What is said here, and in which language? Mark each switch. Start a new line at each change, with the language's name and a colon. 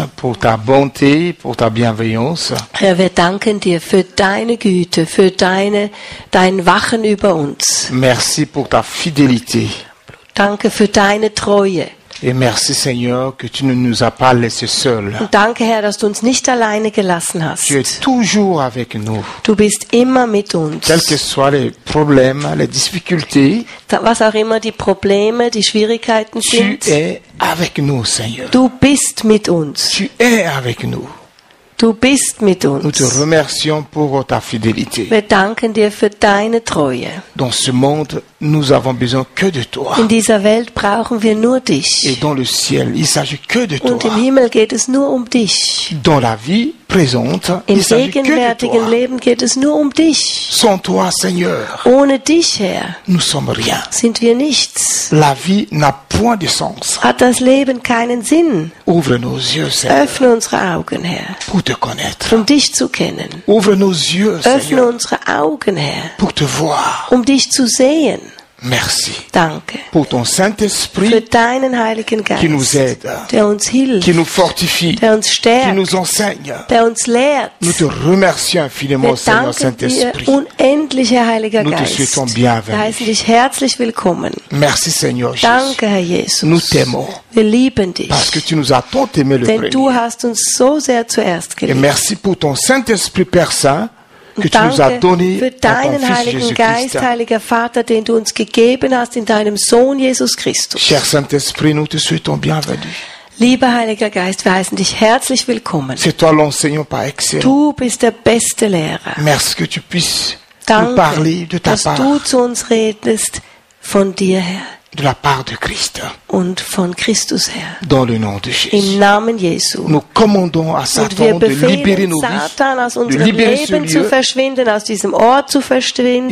French: pour ta bonté, pour ta bienveillance.
German: Herr, wir danken dir für deine Güte, für dein Wachen über uns.
French: Merci pour ta fidélité.
German: Danke für deine Treue.
French: Et merci Seigneur que tu ne nous as pas laissés seuls.
German: Und danke Herr, dass du uns nicht alleine gelassen hast.
French: Tu es toujours avec nous.
German: Du bist immer mit uns.
French: Quels que soient les problèmes, les difficultés.
German: Was auch immer die Probleme, die Schwierigkeiten sind.
French: Tu es avec nous, Seigneur.
German: Du bist mit uns.
French: Tu es avec nous.
German: Du bist mit uns.
French: Nous te remercions pour ta fidélité.
German: Wir danken dir für deine Treue.
French: Dans ce monde, nous avons besoin que de toi.
German: In dieser Welt brauchen wir nur dich.
French: Et dans le ciel, il s'agit que de
German: Und
French: toi.
German: Im Himmel geht es nur um dich.
French: Dans la vie présente,
German: Im gegenwärtigen Leben geht es nur um dich.
French: Sans toi, Seigneur,
German: Ohne dich, Herr,
French: nous sommes rien.
German: Sind wir nichts.
French: La vie n'a point de sens.
German: Hat das Leben keinen Sinn?
French: Ouvre nos yeux, Seigneur,
German: Öffne unsere Augen, Herr.
French: Pour te connaître.
German: Um dich zu kennen.
French: Ouvre nos yeux, Seigneur,
German: Öffne unsere Augen, Herr.
French: Pour te voir.
German: Um dich zu sehen.
French: Merci.
German: Danke.
French: Pour ton Saint-Esprit,
German: für deinen Heiligen Geist,
French: qui nous aide,
German: der uns hilft,
French: qui nous fortifie,
German: der uns stärkt,
French: qui nous enseigne,
German: der uns lehrt.
French: Nous te remercions infiniment,
German: Wir danken
French: Saint-Esprit.
German: Dir unendlich, Herr Heiliger
French: nous
German: Geist.
French: Te souhaitons bienvenue.
German: Wir heißen dich herzlich willkommen.
French: Merci, Seigneur Jesus.
German: Danke, Herr Jesus.
French: Nous t'aimons.
German: Wir lieben dich.
French: Parce que tu nous as tant aimé le
German: Denn
French: premier.
German: Du hast uns so sehr zuerst geliebt.
French: Et merci pour ton Saint-Esprit persain, que tu nous as donné
German: für deinen Heiligen Geist, Heiliger Vater, den du uns gegeben hast in deinem Sohn Jesus Christus.
French: Cher Saint-Esprit, nous te souhaitons bienvenue.
German: Lieber Heiliger Geist, wir heißen dich herzlich willkommen.
French: C'est toi l'enseignant par excellence.
German: Du bist der beste Lehrer.
French: Merci que tu puisses
German: Danke,
French: nous parler de ta
German: dass
French: part.
German: Du zu uns redest von dir her.
French: De la part de Christ.
German: Und von Christus her.
French: Dans le nom de Jésus.
German: Im Namen Jesu.
French: Nous commandons à Satan de libérer nos vies.
German: Satan aus unserem Leben zu verschwinden, aus diesem Ort zu verschwinden.